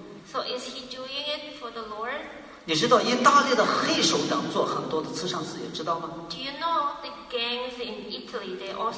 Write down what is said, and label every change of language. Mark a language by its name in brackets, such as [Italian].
[English] So is he doing it for the Lord? [Chinese] 你知道意大利的黑手党做很多的慈善事业，知道吗 [English] ？Do you know the gangs in Italy? They also